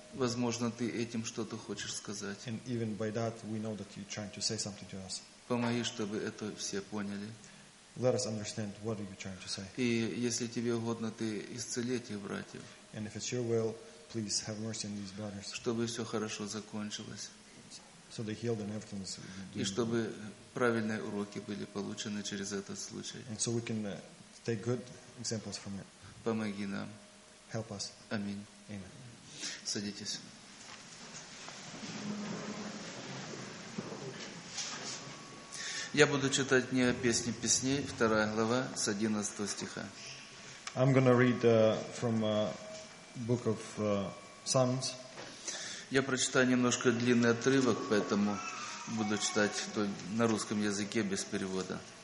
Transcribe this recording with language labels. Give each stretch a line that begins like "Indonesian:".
Russian: Возможно, ты этим что-то хочешь сказать.
English: And even by that, we know that you're trying to say something to us.
Russian: Помоги, чтобы это все поняли.
English: Let us understand what are you trying to say.
Russian: И если тебе угодно, ты исцели этих братьев.
English: And if it's your will, please have mercy on these brothers.
Russian: Чтобы все хорошо закончилось.
English: So they healed and everything is doing.
Russian: И чтобы правильные уроки были получены через этот случай.
English: And so we can take good examples from it.
Russian: Помоги нам.
English: Help us.
Russian: Аминь.
English: Amen.
Russian: Садитесь. Я буду читать не песни песней, вторая глава с 11 стиха.
English: I'm going to read from a book of Psalms.
Russian: Я прочитаю немножко длинный отрывок, поэтому буду читать на русском языке без перевода.